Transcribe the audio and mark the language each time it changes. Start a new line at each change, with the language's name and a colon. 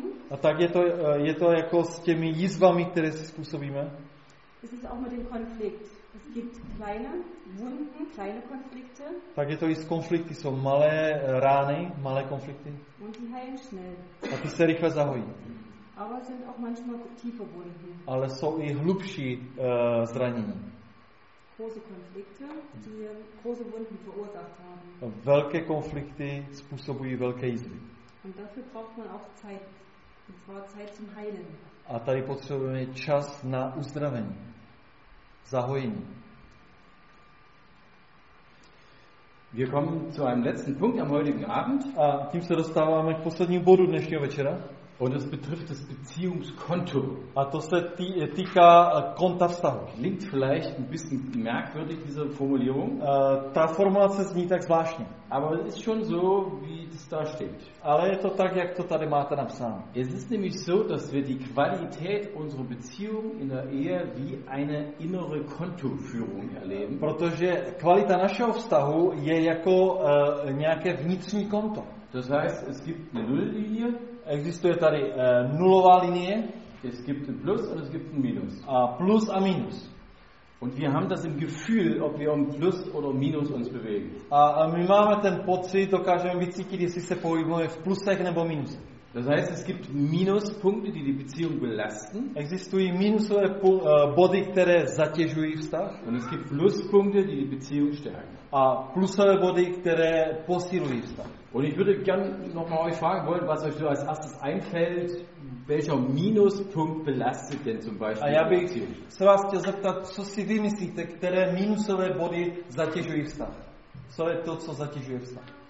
Czech: A tak je to jako s těmi jizvami, které si způsobíme.
German: Es ist auch mit dem Konflikt. Es gibt kleine Wunden, kleine Konflikte.
Czech: Tak je to i s konflikty, jsou malé rány, malé konflikty.
German: Und die heilen schnell.
Czech: A ty se rychle zahojí.
German: Aber sind auch manchmal tiefe Wunden.
Czech: Ale jsou i hlubší zranění.
German: Große Konflikte, die große Wunden verursacht haben.
Czech: Velké konflikty způsobují velké jizvy.
German: Und dafür braucht man auch Zeit, und zwar Zeit zum Heilen.
Czech: A tady potřebujeme čas na uzdravení, zahojení.
German: Wir kommen zu einem letzten Punkt am heutigen Abend.
Czech: A tím se dostáváme k poslednímu bodu dnešního večera.
German: Und es betrifft das Beziehungskonto.
Czech: A to se týká konta vztahu.
German: Klingt vielleicht ein bisschen merkwürdig, diese Formulierung.
Czech: Ta formulace zní tak zvláštně.
German: Aber es ist schon so, wie das da steht.
Czech: Ale je to tak, jak to tady máte napsáno.
German: Es ist nämlich so, dass wir die Qualität unserer Beziehung in der Ehe wie eine innere Kontoführung erleben.
Czech: Protože kvalita našeho vztahu je jako nějaké vnitřní konto.
German: Das heißt, es gibt eine Nulllinie.
Czech: Existuje tady nulová linie.
German: Es gibt ein Plus und es gibt ein Minus.
Czech: A plus a minus.
German: Und wir haben das im Gefühl, ob wir um Plus oder Minus uns bewegen.
Czech: A my máme ten pocit, dokážeme vycítit, jestli se pohybujeme v plusech nebo minus.
German: Das heißt, es gibt Minuspunkte, die Beziehung belasten.
Czech: Existují minusové body, které zatěžují vztah.
German: Und es gibt Pluspunkte, die Beziehung stärken.
Czech: A plusové body, které posilují vztah.
German: Und ich würde gerne nochmal euch fragen wollen, was euch so als erstes einfällt, welcher Minuspunkt belastet denn zum Beispiel die Beziehung?
Czech: Se vás chtěl zeptat, co si vy myslíte, které minusové body zatěžují vztah? Co je to, co zatěžuje vztah?